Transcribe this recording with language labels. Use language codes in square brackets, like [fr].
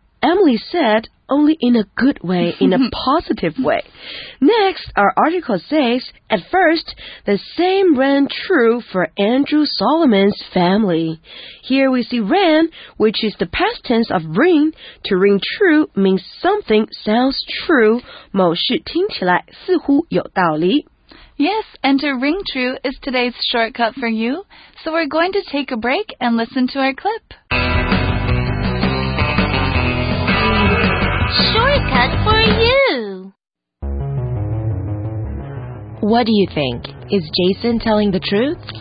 [en] Emily said, only in a good way, in a positive way. Next, our article says, at first, the same ran true for Andrew Solomon's family. Here we see ran, which is the past tense of ring. To ring true means something sounds true. [zh] 某事听起来似乎有道理。 [en] Yes, and to ring true is today's shortcut for you. So we're going to take a break and listen to our clip. Shortcut for you. What do you think? Is Jason telling the truth?